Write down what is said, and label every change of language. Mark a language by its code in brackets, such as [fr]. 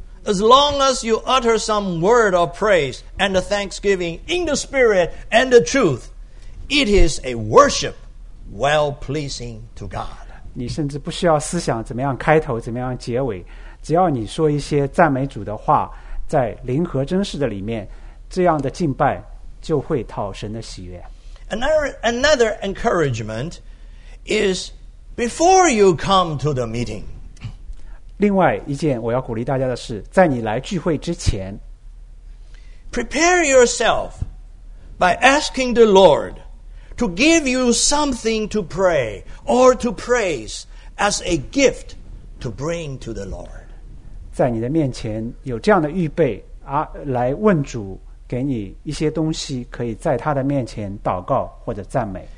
[en] As long as you utter some word of praise and thanksgiving in the spirit and the truth, it is a worship well pleasing to God. [zh] 你甚至不需要思想怎么样开头，怎么样结尾，只要你说一些赞美主的话，在灵和真实的里面，这样的敬拜就会讨神的喜悦。 [en] Another encouragement is. Before you come to the meeting, [zh] 另外一件我要鼓励大家的是，在你来聚会之前 [en] ，prepare yourself by asking the Lord to give you something to pray or to praise as a gift to bring to the Lord. [zh] 在你的面前有这样的预备啊，来问主给你一些东西，可以在他的面前祷告或者赞美。